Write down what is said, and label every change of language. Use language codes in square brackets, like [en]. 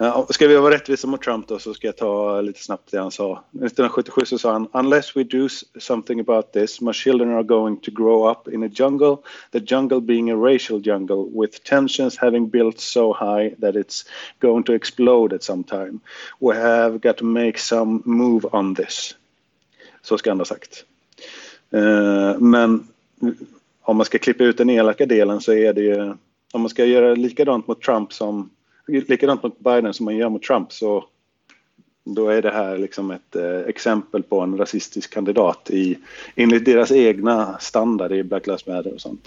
[sv] Ska vi vara rättvisa mot Trump då, så ska jag ta lite snabbt det han sa. [en] 1977 [sv] så sa han, [en] unless we do something about this, my children are going to grow up in a jungle, the jungle being a racial jungle, with tensions having built so high that it's going to explode at some time. We have got to make some move on this. [sv] Så ska han ha sagt. Men om man ska klippa ut den elaka delen så är det ju, om man ska göra likadant mot Trump som likadant mot Biden som man gör mot Trump, så då är det här liksom ett exempel på en rasistisk kandidat enligt deras egna standard i Black Lives Matter och sånt.